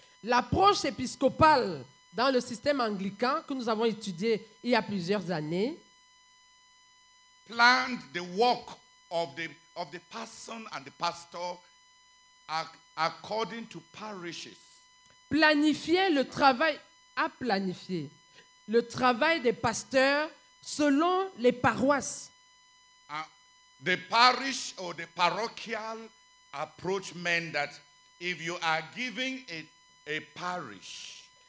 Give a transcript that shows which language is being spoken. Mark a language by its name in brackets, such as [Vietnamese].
[French] L'approche épiscopale dans le système anglican que nous avons étudié il y a plusieurs années [English] planned the work of the person and the pastor according to parishes. [French] A planifié le travail des pasteurs selon les paroisses. [English] The parish or the parochial approach meant that if you are giving a parish,